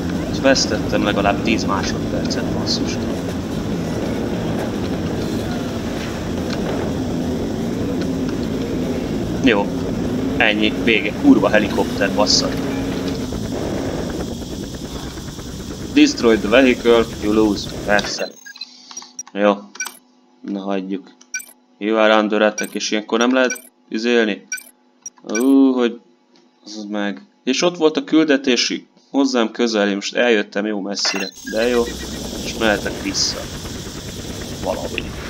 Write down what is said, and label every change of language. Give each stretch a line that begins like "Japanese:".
Hungarian: Ezt vesztettem legalább 10 másodpercet, basszus. Jó, ennyi, vége, kurva helikopter, bassza.
English: Destroy the vehicle, you lose,
Hungarian: persze. Jó, na hagyjuk.
English: You are under attack,
Hungarian: és ilyenkor nem lehet izélni. Hogy az meg. És ott volt a küldetési hozzám közel, most eljöttem jó messzire. De jó, és mehetek vissza. Valahogy.